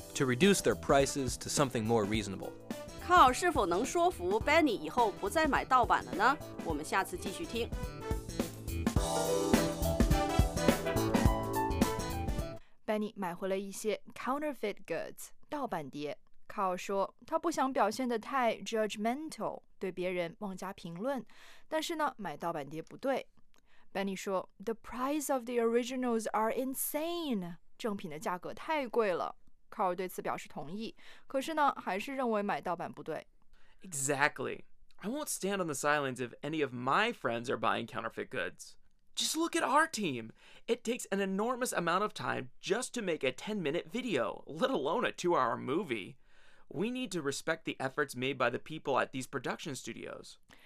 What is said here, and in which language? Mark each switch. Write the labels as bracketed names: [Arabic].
[English] To reduce their prices to something more reasonable. [Chinese] Carl 是否能说服 Benny 以后不再买盗版了呢？我们下次继续听。 Benny 买回了一些 [English] counterfeit goods, [Chinese] 盗版碟。 Carl 说他不想表现得太 judgmental, 对别人妄加评论，但是呢，买盗版碟不对。 Benny 说 [English] The price of the originals are insane, [Chinese] 正品的价格太贵了。 Carl 对此表示同意，可是呢，还是认为买盗版不对。 [English] Exactly. I won't stand on the sidelines if any of my friends are buying counterfeit goods. Just look at our team. It takes an enormous amount of time just to make a 10-minute video, let alone a 2-hour movie. We need to respect the efforts made by the people at these production studios.